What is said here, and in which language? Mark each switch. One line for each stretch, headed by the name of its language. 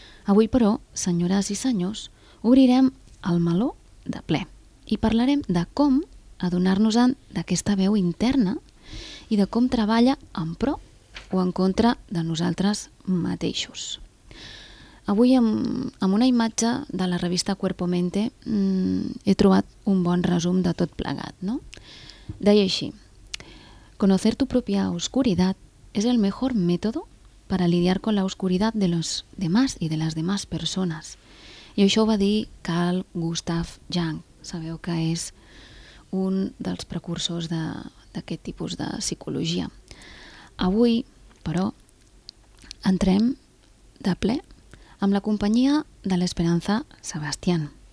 Catalan: Avui, però, senyores i senyors, obrirem el meló de ple i parlarem de com adonar-nos-en d'aquesta veu interna i de com treballa en pro o en contra de nosaltres mateixos. Avui, amb una imatge de la revista Cuerpo Mente, he trobat un bon resum de tot plegat, no? Deia així,
Spanish: conocer tu propia oscuridad es el mejor método para lidiar con la oscuridad de los demás y de las demás personas.
Catalan: I això ho va dir Carl Gustav Jung. Sabeu que és un dels precursors d'aquest tipus de psicologia. Avui, però, entrem de ple amb la companyia de l'Esperanza Sebastián.